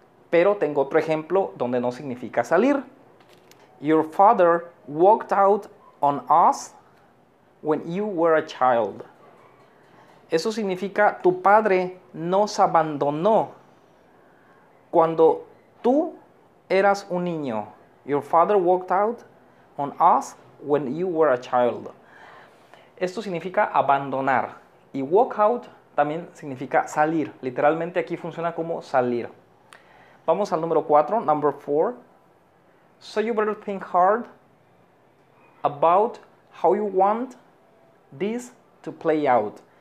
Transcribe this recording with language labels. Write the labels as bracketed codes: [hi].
[es] Pero tengo otro ejemplo donde no significa salir. [en] Your father walked out on us when you were a child. [es] Eso significa tu padre nos abandonó cuando tú eras un niño. [en] Your father walked out on us when you were a child. [es] Esto significa abandonar. Y walk out también significa salir. Literalmente aquí funciona como salir. Vamos al número 4, [en] number 4. So you better think hard about how you want this to play out.